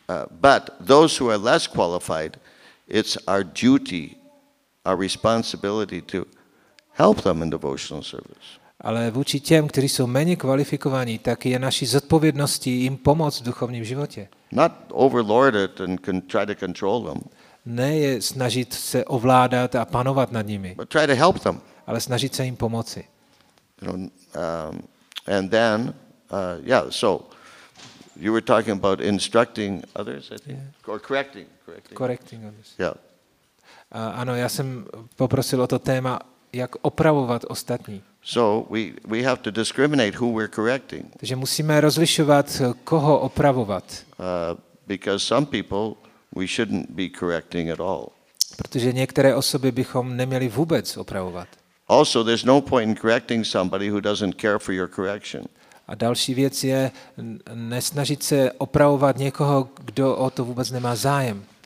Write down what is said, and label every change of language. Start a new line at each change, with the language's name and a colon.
English: But those who are less qualified, it's our duty, our responsibility to help them in devotional service.
Czech: Ale vůči těm, kteří jsou méně kvalifikovaní, tak je naší zodpovědností jim pomoct v duchovním životě.
English: Not overlord it and try to control them.
Czech: Ne je snažit se ovládat a panovat nad nimi.
English: But try to help them.
Czech: Ale snažit se jim pomoci.
English: You know, so you were talking about instructing others, I think, yeah. Or correcting others. Yeah.
Czech: Ano, já jsem poprosil o to téma, jak opravovat ostatní.
English: So we have to discriminate who we're correcting.
Czech: Takže musíme rozlišovat, koho opravovat.
English: Because some people we shouldn't be correcting at all.
Czech: Protože některé osoby bychom neměli vůbec opravovat.
English: Also, there's no point in correcting somebody who doesn't care for your correction.
Czech: A další věc je nesnažit se opravovat někoho, kdo o to vůbec nemá zájem.